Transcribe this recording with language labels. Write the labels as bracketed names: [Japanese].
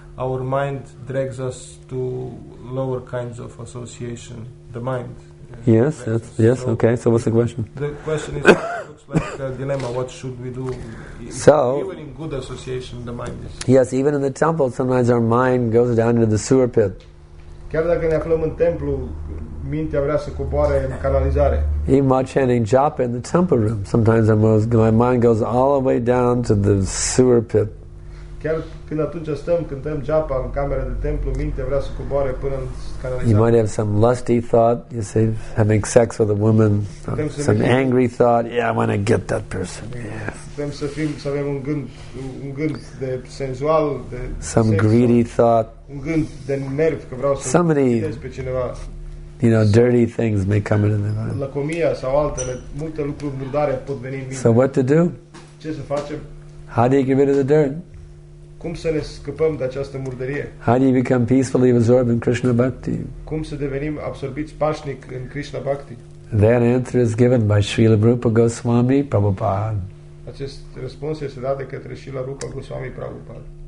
[English] our mind drags us to lower kinds of association, the mind. Yes. So okay, so what's the question? The question is, looks like a dilemma, what should we do? So, even in good association, the mind is... Yes, even in the temple, sometimes our mind goes down into the sewer pit. [Romanian] Chiar dacă ne aflăm în templu, mintea vrea să coboare în canalizare. [English] Even while chanting japa in the temple room, sometimes my mind goes all the way down to the sewer pit. [Romanian] Chiar când atunci stăm, cântăm japa în camera de templu, mintea vrea să coboare până în canalizare. [English] You might have some lusty thought, you say, having sex with a woman, some angry thought, yeah, I want to get that person, yeah. [Romanian] Putem să fim, să avem un gând de senzual, de [English] some sexual, greedy thought, [Romanian] un gând de nerv, că vreau să fidez pe cineva. [English] You know, dirty things may come into the mind. [Romanian] Lăcomia sau altele, multe lucruri murdare pot veni în minte. [English] So what to do? [Romanian] Ce să facem? [English] How do you get rid of the dirt? [Romanian] Cum să ne scăpăm de această murdărie? [English] How do you become peacefully absorbed in Krishna Bhakti? [Romanian] Cum să devenim absorbiți pașnic în Krishna Bhakti? [English] That answer is given by Srila Rupa Goswami Prabhupada. [Romanian] Acest răspuns este dat de către Srila Rupa Goswami Prabhupada.